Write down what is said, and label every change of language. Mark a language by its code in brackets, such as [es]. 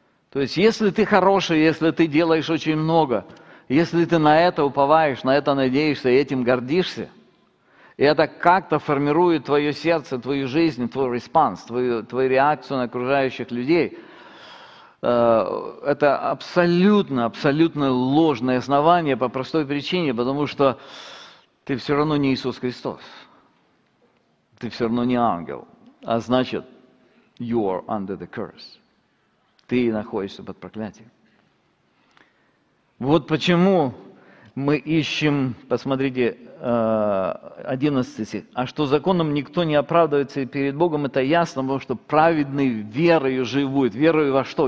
[ru] То есть, если ты хороший, если ты делаешь очень много, если ты на это уповаешь, на это надеешься, и этим гордишься, и это как-то формирует твое сердце, твою жизнь, твой респанс, твою реакцию на окружающих людей – это абсолютно, абсолютно ложное основание по простой причине, потому что ты все равно не Иисус Христос. Ты все равно не ангел. А значит, [en] you are under the curse. [ru] Ты находишься под проклятием. Вот почему мы ищем, посмотрите, 11 стих. «А что законом никто не оправдывается перед Богом, это ясно, потому что праведный верою живут». Верою во что?